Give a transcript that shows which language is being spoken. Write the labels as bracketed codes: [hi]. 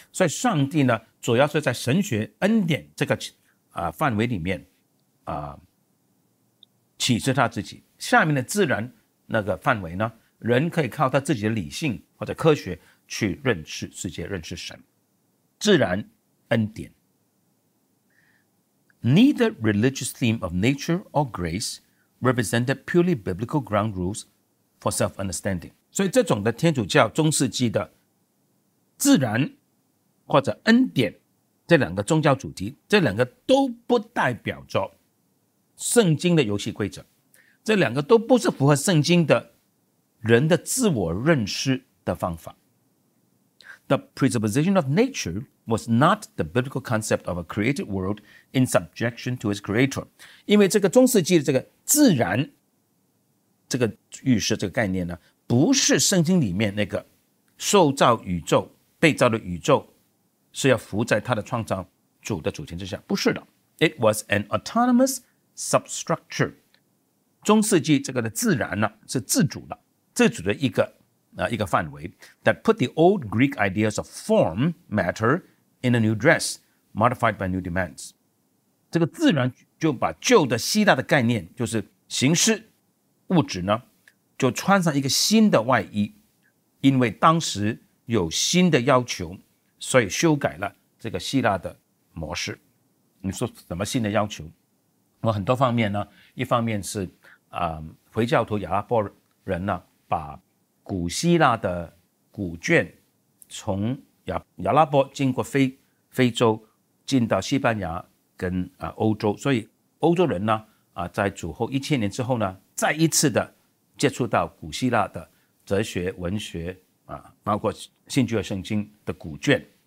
[zh] 所以上帝呢，主要是在神学恩典这个范围里面启示他自己。下面的自然那个范围呢，人可以靠他自己的理性或者科学去认识世界，认识神。自然恩典。 [en] Neither religious theme of nature or grace represented purely biblical ground rules for self-understanding. [zh] 所以这种的天主教中世纪的自然或者恩典这两个宗教主题，这两个都不代表着圣经的游戏规则，这两个都不是符合圣经的人的自我认识的方法。 [en] The presupposition of nature was not the biblical concept of a created world in subjection to its creator. [zh] 因为这个中世纪的这个自然这个预设这个概念呢，不是圣经里面那个受造宇宙被造的宇宙是要服在他的创造主的主权之下，不是的。 [en] It was an autonomous substructure. [zh] 中世纪这个的自然呢，是自主的，自主的一个范围 [en] that put the old Greek ideas of form matter in a new dress modified by new demands. [zh] 这个自然就把旧的希腊的概念，就是形式物质呢，就穿上一个新的外衣，因为当时有新的要求，所以修改了这个希腊的模式。你说什么新的要求？我很多方面呢，一方面是回教徒亚拉伯人呢，把古希腊的古卷从亚拉伯经过非洲进到西班牙跟欧洲，所以欧洲人呢在主后1000年之后呢，再一次的接触到古希腊的哲学文学包括新旧约圣经的古卷。